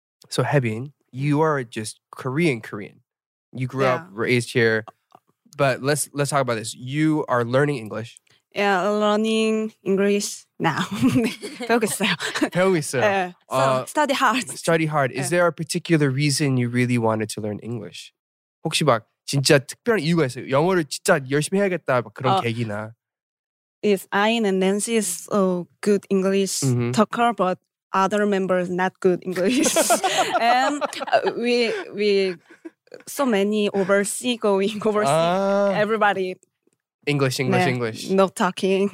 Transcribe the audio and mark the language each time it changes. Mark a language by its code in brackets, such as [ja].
[en] So Haebin, you are just Korean. You grew up, raised here. But let's talk about this. You are learning English. Yeah, learning English now. Focus now. Focus now. So study hard. Study hard. Is there a particular reason you really wanted to learn English? [ko] 혹시 막 진짜 특별한 이유가 있어요? 영어를 진짜 열심히 해야겠다 막 그런 계기나? [en] Yes, I and Nancy is so good English mm-hmm. talker, but other members not good English. And we so many overseas. Everybody. English. No talking.